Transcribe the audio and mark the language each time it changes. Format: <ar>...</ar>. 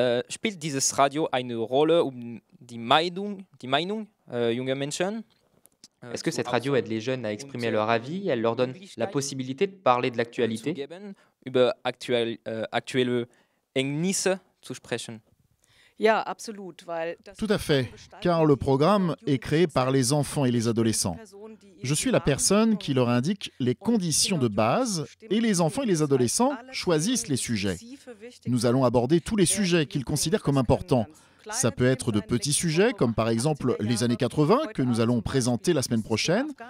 <de>Spielt dieses Radio eine Rolle um die Meinung junger Menschen?</de> <fr>Est-ce que cette radio aide les jeunes à exprimer leur avis? Elle leur donne la possibilité de parler de l'actualité?</fr> <de>Über aktuelle Ereignisse zu sprechen.</de> <fr>Tout à fait, car le programme est créé par les enfants et les adolescents. Je suis la personne qui leur indique les conditions de base et les enfants et les adolescents choisissent les sujets. Nous allons aborder tous les sujets qu'ils considèrent comme importants. Ça peut être de petits sujets, comme par exemple les années 80, que nous allons présenter la semaine prochaine.</fr>